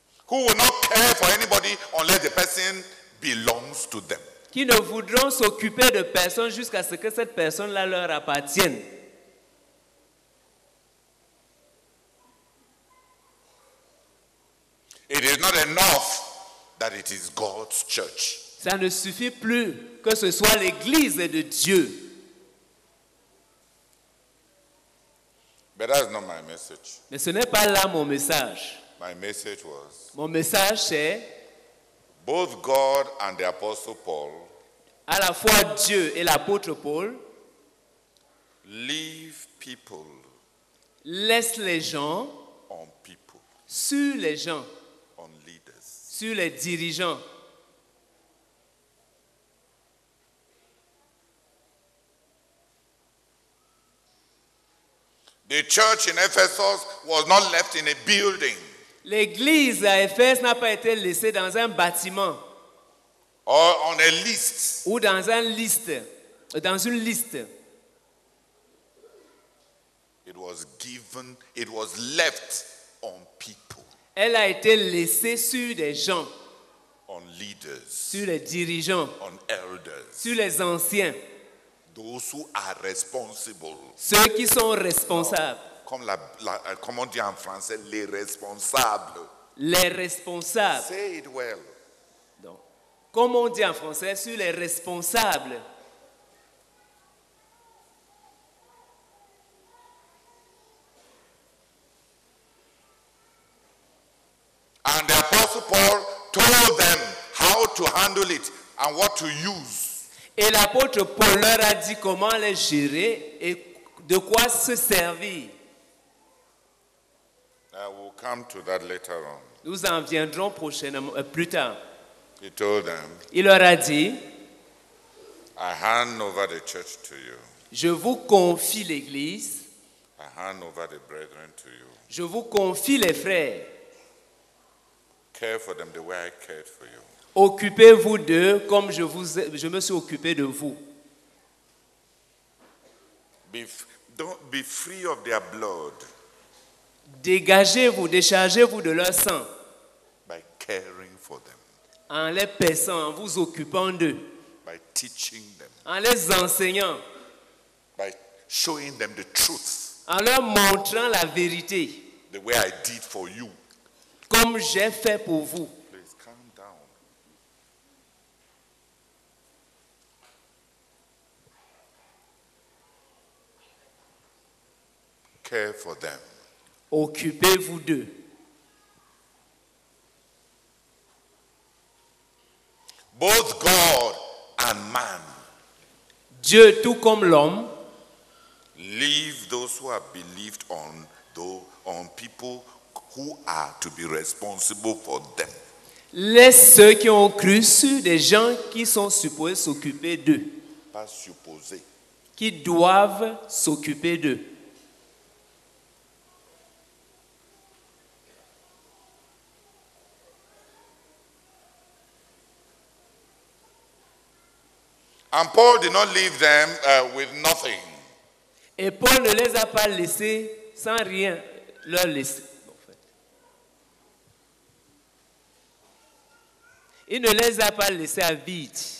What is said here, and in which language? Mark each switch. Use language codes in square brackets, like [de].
[en] Who will not care for anybody unless the person belongs to them. [fr] Qui ne voudront s'occuper de personne jusqu'à ce que cette personne-là leur appartienne. [en] It is not enough that it is God's church. [fr] Ça ne suffit plus que ce soit l'église de Dieu. [en] But that's not my message. [fr] Mais ce n'est pas là mon message. [en] My message was. [fr] Mon message c'est. [en] Both God and the Apostle Paul. [fr] À la fois Dieu et l'apôtre Paul. [en] Leave people. [fr] Laisse les gens. [en] On people. [fr] Sur les gens. [en] On leaders. [fr] Sur les dirigeants. [en] The church in Ephesus was not left in a building. [fr] L'église à Éphèse n'a pas été laissée dans un bâtiment. [en] Or on a list. [fr] Ou dans une liste. Dans une liste. [en] It was given, it was left on people. [fr] Elle a été laissée sur des gens. [en] On leaders. [fr] Sur les dirigeants. [en] On elders. [fr] Sur les anciens. [en] Those who are responsible. [fr] Ceux qui sont responsables. Comme comme on dit en français, les responsables. Les responsables. [en] Say it well. [fr] Donc, comme on dit en français, sur les responsables. [en] And the Apostle Paul told them how to handle it and what to use. [fr] Et l'apôtre Paul leur a dit comment les gérer et de quoi se servir. [en] I will come to that later on. [fr] Nous en viendrons prochainement, plus tard. [en] He told them, [fr] il leur a dit, [en] I hand over the church to you. [fr] Je vous confie l'église. [en] I hand over the brethren to you. [fr] Je vous confie les frères. [en] Care for them the way I cared for you. [fr] Occupez-vous d'eux comme je me suis occupé de vous. [en] Be free of their blood. [fr] Dégagez-vous, déchargez-vous de leur sang. [en] By caring for them. [fr] En les paissant, en vous occupant d'eux. [en] By teaching them. [fr] En les enseignant. [en] By showing them the truth. [fr] En leur montrant la vérité. [en] The way I did for you. [fr] Comme j'ai fait pour vous. [en] Please calm down. Care for them. [fr] Occupez-vous d'eux. [en] Both God and man. [fr] Dieu tout comme l'homme. [en] Leave those who have believed on on people who are to be responsible for them. [fr] Laisse ceux qui ont cru sur des gens qui sont supposés s'occuper d'eux. Pas supposés. Qui doivent s'occuper d'eux. [en] And Paul did not leave them with nothing. [fr] Et Paul ne les a pas laissés sans rien leur laisser. En fait. Il ne les a pas laissés à vide.